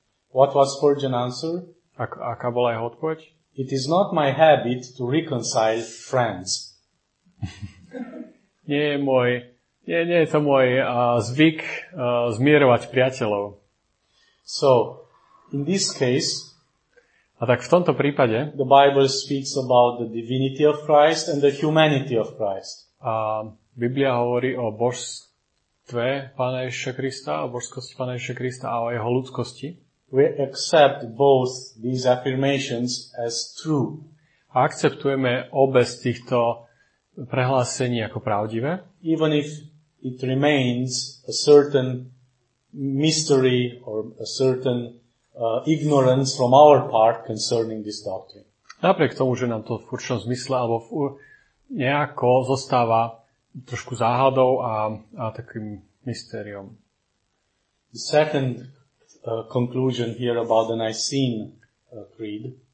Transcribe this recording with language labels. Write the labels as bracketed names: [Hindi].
[English] What was Spurgeon's answer? [Slovak] Aká bola jeho odpoveď? [English] It is not my habit to reconcile friends. [Slovak] nie je to môj zvyk zmierovať priateľov. [English] So, in this case, [Slovak] a tak v tomto prípade [English] the Bible speaks about the divinity of Christ and the humanity of Christ. [Slovak] A Biblia hovorí o božstve Pána Ježiša Krista, o božskosti Pána Ježiša Krista a o jeho ľudskosti. [English] We accept both these affirmations as true. [Slovak] A akceptujeme obe z týchto prehlásení ako pravdivé. [English] Even if it remains a certain mystery or a certain ignorance from our part concerning this doctrine. [Slovak] Napriek tomu, že nám to v určitom zmysle alebo nejako zostáva trošku záhadou a takým mystériom. [English] The second conclusion here about the Nicene Creed.